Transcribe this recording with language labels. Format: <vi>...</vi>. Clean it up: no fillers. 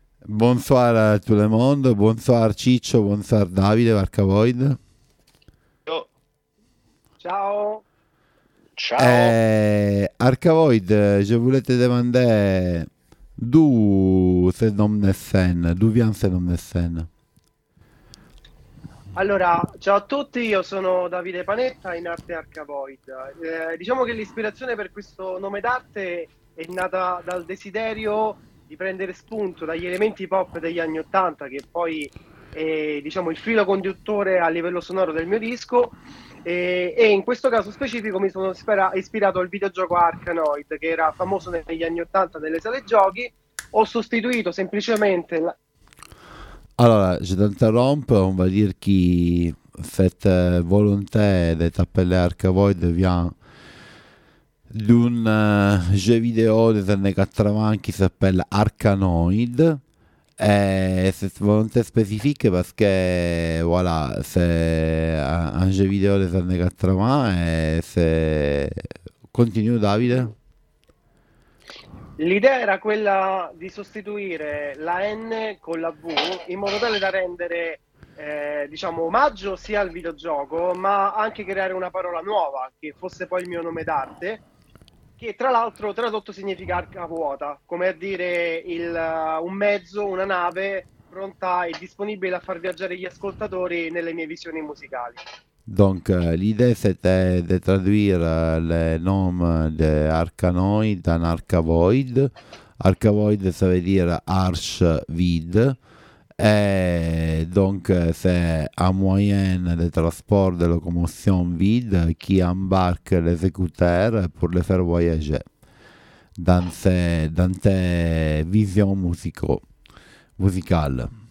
<fr>Bonsoir</fr> <it>a tutto il mondo, bonsoir Ciccio, bonsoir Davide, Arcavoid. Ciao. Ciao.</it> <fr>Arcavoid, je voulais te demander d'où ce nom de scène, d'où vient ce nom de scène?</fr> <it>Allora, ciao a tutti, io sono Davide Panetta, in arte Arcavoid. Diciamo che l'ispirazione per questo nome d'arte è nata dal desiderio di prendere spunto dagli elementi pop degli anni Ottanta, che poi è, diciamo, il filo conduttore a livello sonoro del mio disco, e in questo caso specifico mi sono ispirato al videogioco Arkanoid, che era famoso negli anni Ottanta nelle sale giochi. Ho sostituito semplicemente la...</it> <fr>Allora, je t'interrompe, on va dire qui cette volonté de t'appeler Arkavoid vient d'un jeu vidéo des années 80 qui s'appelle Arkanoid. Et cette volonté spécifique parce que voilà, c'est un jeu vidéo des années 80 et c'est... Continue Davide.</fr> <it>L'idea era quella di sostituire la N con la V in modo tale da rendere diciamo omaggio sia al videogioco ma anche creare una parola nuova che fosse poi il mio nome d'arte, che tra l'altro tradotto significa arca vuota, come a dire un mezzo, una nave pronta e disponibile a far viaggiare gli ascoltatori nelle mie visioni musicali.</it> <fr>Donc l'idée c'était de traduire le nom de Arkanoid en Arkavoid. Arkavoid ça veut dire arche vide. Et donc c'est un moyen de transport de locomotion vide qui embarque les écouteurs pour les faire voyager dans tes visions musicales.</fr>